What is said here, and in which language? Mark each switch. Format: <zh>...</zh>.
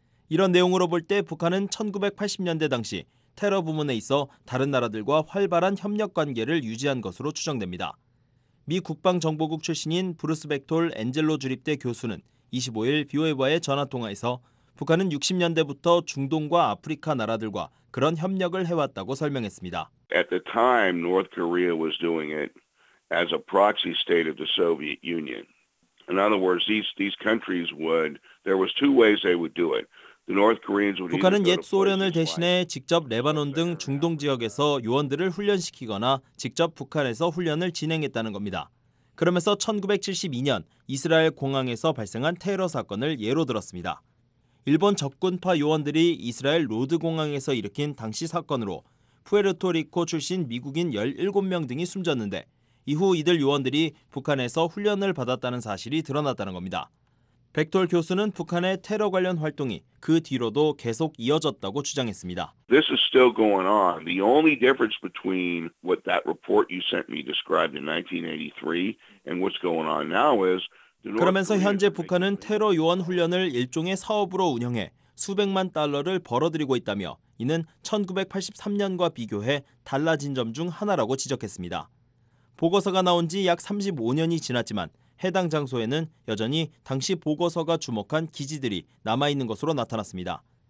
<ko>이런 내용으로 볼 때 북한은 1980년대 당시 테러 부문에 있어 다른 나라들과 활발한 협력 관계를 유지한 것으로 추정됩니다. 미 국방정보국 출신인 브루스 백톨 엔젤로 주립대 교수는 25일 BOA와의 전화통화에서 북한은 60년대부터 중동과 아프리카 나라들과 그런 협력을 해왔다고 설명했습니다.</ko> <en>At the time, North Korea was doing it as a proxy state of the Soviet Union. In other words, these countries would, there was two ways they would do it.</en> <ko>북한은 옛 소련을 대신해 직접 레바논 등 중동 지역에서 요원들을 훈련시키거나 직접 북한에서 훈련을 진행했다는 겁니다. 그러면서 1972년 이스라엘 공항에서 발생한 테러 사건을 예로 들었습니다. 일본 적군파 요원들이 이스라엘 로드 공항에서 일으킨 당시 사건으로 푸에르토리코 출신 미국인 17명 등이 숨졌는데 이후 이들 요원들이 북한에서 훈련을 받았다는 사실이 드러났다는 겁니다. 백톨 교수는 북한의 테러 관련 활동이 그 뒤로도 계속 이어졌다고 주장했습니다.</ko> <en>This is still going on. The only difference between what that report you sent me described in 1983 and what's going on now is</en> <ko>그러면서 현재 북한은 테러 요원 훈련을 일종의 사업으로 운영해 수백만 달러를 벌어들이고 있다며 이는 1983년과 비교해 달라진 점 중 하나라고 지적했습니다. 보고서가 나온 지 약 35년이 지났지만 해당 장소에는 여전히 당시 보고서가 주목한 기지들이 남아있는 것으로 나타났습니다.</ko>